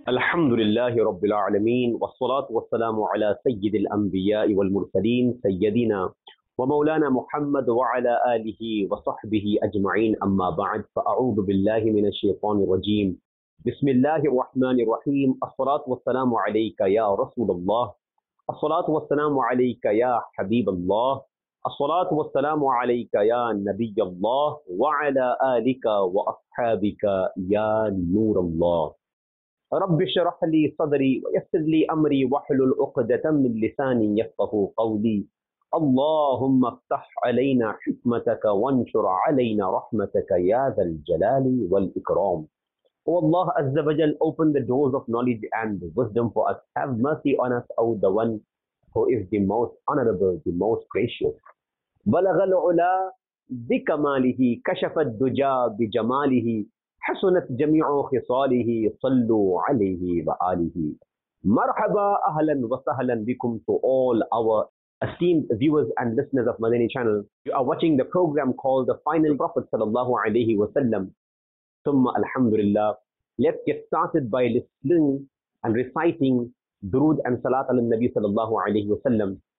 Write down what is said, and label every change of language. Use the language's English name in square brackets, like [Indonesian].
[Arabic] Alhamdulillahi rabbil alameen, wa salatu wa salamu ala sayyidil anbiya wal mursaleen, sayyidina ومولانا محمد وعلى آله وصحبه أجمعين أما بعد فأعوذ بالله من الشيطان الرجيم بسم الله الرحمن الرحيم الصلاة والسلام عليك يا رسول الله الصلاة والسلام عليك يا حبيب الله الصلاة والسلام عليك يا نبي الله وعلى آلك وأصحابك يا نور الله رب اشرح لي صدري ويسر لي أمري واحلل عقدة من لساني يفقهوا قولي اللهم افتح علينا حكمتك وانشر علينا رحمتك يا ذا الجلال والإكرام. [English] O Allah Azza wa Jal, open the doors of knowledge and wisdom for us. Have mercy on us, O the one who is the most honorable, the most gracious. [Arabic] بلغ العلا بكماله كشف الدجا بجماله حسنت جميع خصاله صلوا عليه وآله. مرحبا أهلا وسهلا بكم [English] to all our esteemed viewers and listeners of Madani Channel. You are watching the program called The Final Prophet Sallallahu Alaihi Wasallam. Thumma Alhamdulillah. Let's get started by listening and reciting Durood and Salat ala Nabi Sallallahu Alaihi Wasallam.